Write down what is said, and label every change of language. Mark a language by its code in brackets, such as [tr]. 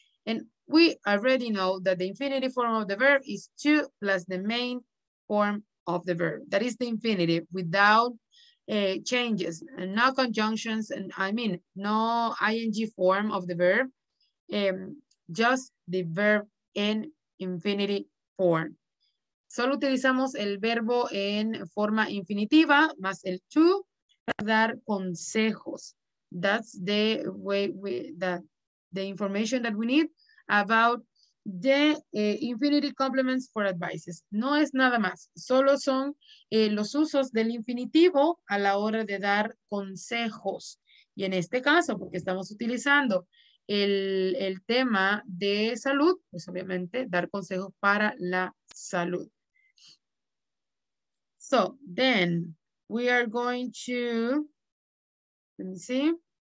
[en] And we already know that the infinity form of the verb is 2 plus the main form of the verb. That is the infinitive without changes, and no conjunctions, and I mean, no ing form of the verb, just the verb in infinity form. [es] Solo utilizamos el verbo en forma infinitiva más el to para dar consejos. [en] That's the way the information that we need about the infinitive complements for advices. [es] No es nada más. Solo son los usos del infinitivo a la hora de dar consejos. Y en este caso, porque estamos utilizando el tema de salud, pues obviamente dar consejos para la salud. [en] So then we are going to, let me see.